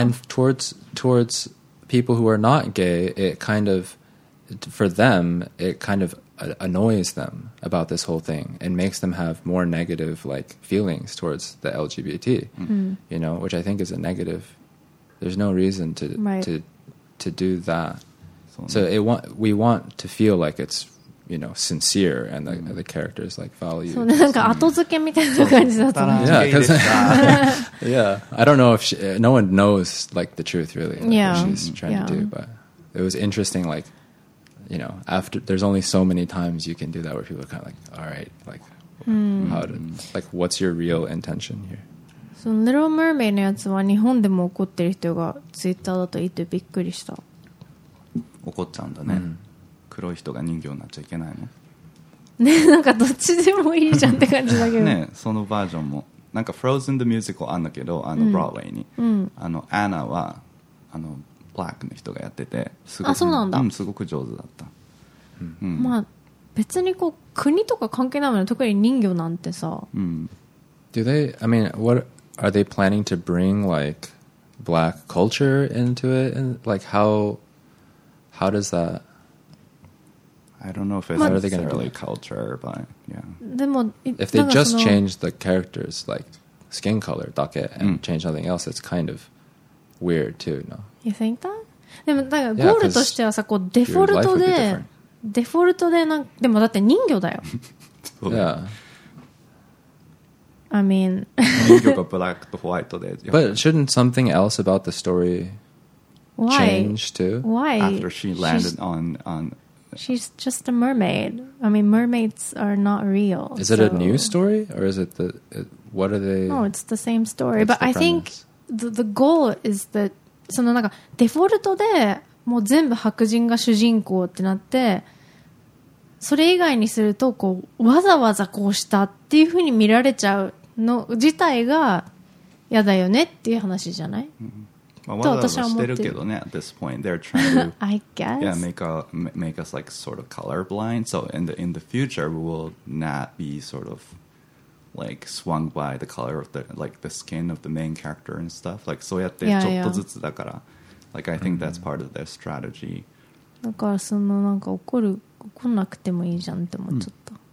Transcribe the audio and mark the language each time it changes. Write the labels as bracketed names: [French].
[English] and towards people who are not gay, it kind of for them it kind of annoys them about this whole thing and makes them have more negative like feelings towards the LGBT, you know, which I think is a negative. There's no reason to to do that. So it we want to feel like it's, you know, sincere and the characters like value. [Japanese] So なんか後付けみたいな感じだったな。 [English] Yeah, because yeah, I don't know if she, no one knows like the truth really. Like, yeah, what she's trying to do, but it was interesting like. You know, after there's only so many times you can do that where people are kind of like, all right, like, how to, like, what's your real intention here? [Japanese] So, Little Mermaid のやつは日本でも怒ってる人がツイッターだといてびっくりした。怒っちゃうんだね。黒い人が人形になっちゃいけないの。ね、なんかどっちでもいいじゃんって感じだけど。ね、そのバージョンも。なんか Frozen the Musical あんだけど、あの、ブロードウェイに。あの、アナは、あの、ブラックの人がやっててすごく、あ、そうなんだ、すごく上手だった、まあ別にこう国とか関係ないもんね、特に人魚なんてさ、 [English] Do they, I mean, what are they planning to bring like black culture into it? And like how does that, I don't know if it's necessarily culture, but yeah, [Japanese] でも [English] if they just change the characters like skin color だけ and change nothing else, it's kind of weird too, no? You think that? [Japanese] でもだからゴールとしてはさ、こうデフォルトで、デフォルトでなんでもだって人魚だよ。 [English] Yeah. I mean. [Japanese] 人魚がブラックとホワイトで。 [English] But shouldn't something else about the story change too? Why? After she landed on. She's just a mermaid. I mean, mermaids are not real. Is it a new story or is it the? What are they? No, it's the same story. But I think the goal is that. [Japanese] そのなんかデフォルトでもう全部白人が主人公ってなって、それ以外にするとこうわざわざこうしたっていう風に見られちゃうの自体がやだよねっていう話じゃない？まあ、わざわざしてるけどね。 [English] At this point, they're trying to I guess. Yeah, make us like sort of colorblind. So in the future, we will not be sort of. Like swung by the color of the like the skin of the main character and stuff. Like [Japanese] そうやってちょっとずつだから [English] Like I think that's part of their strategy. [Japanese] だからそのなんか怒んなくてもいいじゃんって思っちゃった。